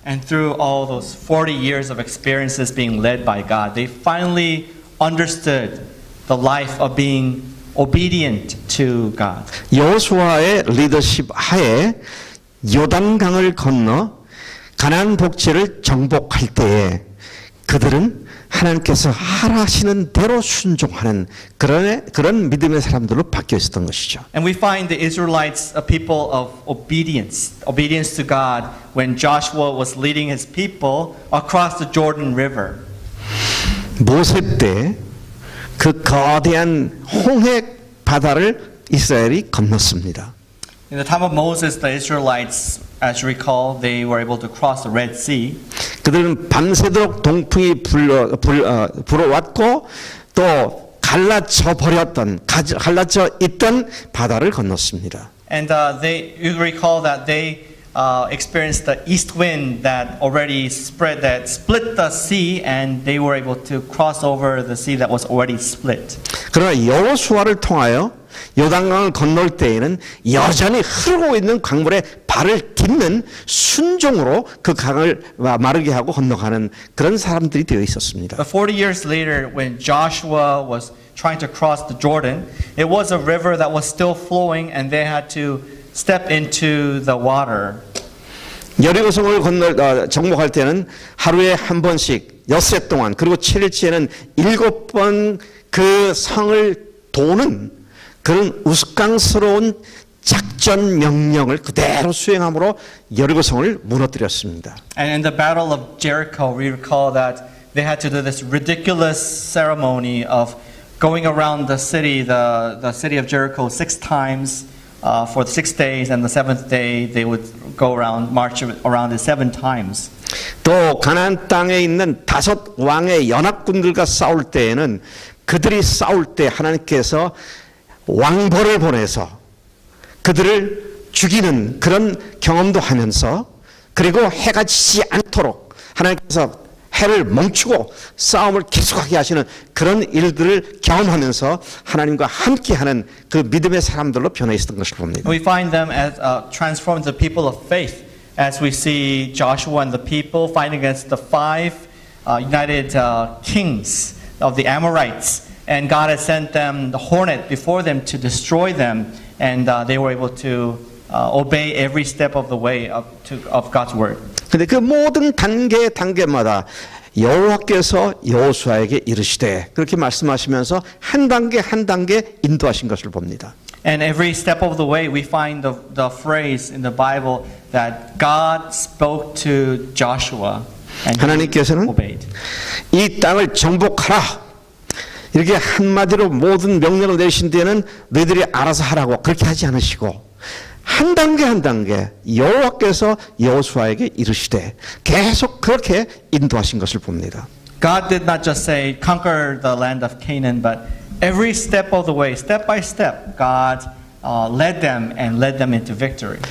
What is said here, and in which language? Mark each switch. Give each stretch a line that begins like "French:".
English: And through all those 40 years of experiences being led by God, they finally understood the life of being obedient to God.
Korean: 여호수아의 리더십 하에 요단강을 건너 가나안 복지를 정복할 때에 그들은 하나님께서 하라시는 대로 순종하는 그런 믿음의 사람들로 바뀌어 있었던 것이죠.
English: And we find the Israelites a people of obedience to God when Joshua was leading his people across the Jordan River.
Korean: 모세 때 그 거대한 홍해 바다를 이스라엘이 건넜습니다.
English: In the time of Moses, the Israelites, as you recall, they were able to cross the Red Sea.
Korean: 그들은 밤새도록 동풍이 불어왔고 또 갈라져 버렸던 갈라져 있던 바다를 건넜습니다.
English: And you recall that they experienced the east wind that already spread that split the sea, and they were able to cross over the sea that was already split.
Korean: 그러나 여호수아를 통하여 요단강을 건널 때에는 여전히 흐르고 있는 강물에 발을 딛는 순종으로 그 강을 마르게 하고 건너가는 그런 사람들이 되어 있었습니다.
English: But 40 years later, when Joshua was trying to cross the Jordan, it was a river that was still flowing, and they had to step into the water.
Korean: 여리고성을 건널 정복할 때는 하루에 한 번씩 엿새 동안 그리고 7일째는 7번 그 성을 도는 그런 우스꽝스러운 작전 명령을 그대로 수행함으로 여리고성을 무너뜨렸습니다.
English: And in the battle of Jericho, we recall that they had to do this ridiculous ceremony of going around the city, the city of Jericho, six times for 6 days, and the seventh day they would go around, march around it seven times.
Korean: 또 가나안 땅에 있는 다섯 왕의 연합군들과 싸울 때에는 그들이 싸울 때 하나님께서 왕벌을 보내서 그들을 죽이는 그런 경험도 하면서 그리고 해가 지지 않도록 하나님께서 해를 멈추고 싸움을 계속하게 하시는 그런 일들을 경험하면서 하나님과 함께하는 그 믿음의 사람들로 변해 있었던 것을 봅니다.
English: We find them as transform the people of faith as we see Joshua and the people fighting against the five united kings of the Amorites. And God had sent them the hornet before them to destroy them, and they were able to obey every step of the way of God's word.
Korean: 근데 그 모든 단계마다 여호와께서 여호수아에게 이르시되 그렇게 말씀하시면서 한 단계 한 단계 인도하신 것을 봅니다.
English: And every step of the way, we find the phrase in the Bible that God spoke to Joshua and he obeyed.
Korean: 하나님께서는 이 땅을 정복하라. 이렇게 한마디로 모든 명령을 내신 뒤에는 너희들이 알아서 하라고 그렇게 하지 않으시고 한 단계 한 단계 여호와께서 여호수아에게 이르시되 계속 그렇게 인도하신 것을 봅니다.
English: God did not just say conquer the land of Canaan, but every step of the way, step by step, God led them and led them into victory.